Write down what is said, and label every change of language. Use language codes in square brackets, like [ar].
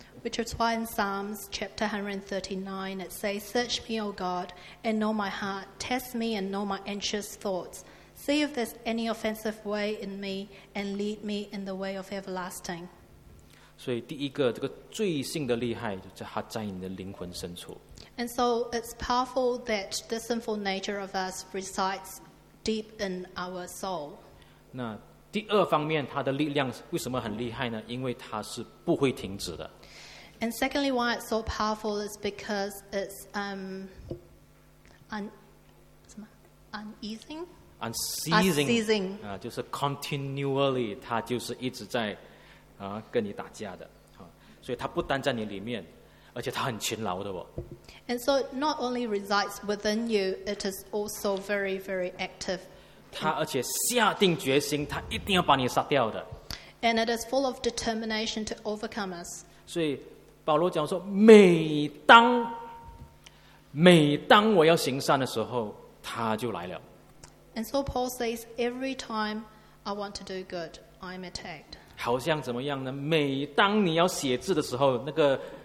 [en] Which is why in Psalms chapter 139 it says, Search me, O God, and know my heart. Test me and know my anxious thoughts. See if there's any offensive way in me and lead me in the way of everlasting. [zh] 所以第一个这个罪性的厉害就是它在你的灵魂深处。 [en] And so it's powerful that the sinful nature of us resides deep in our soul. [zh] 那第二方面它的力量为什么很厉害呢？因为它是不会停止的。 [en] And secondly, why it's so powerful is because it's unceasing. [zh] 啊，就是 continually, 它就是一直在跟你打架的啊，所以它不单在你里面，而且它很勤劳的哦。 [en] And so, it not only resides within you, it is also very, very active. [zh] 它而且下定决心，它一定要把你杀掉的。 [en] And it is full of determination to overcome us. [zh] 所以保罗讲说，每当我要行善的时候，他就来了。 [en] And so Paul says, every time I want to do good, I'm attacked. [zh] 好像怎么样呢？每当你要写字的时候，那个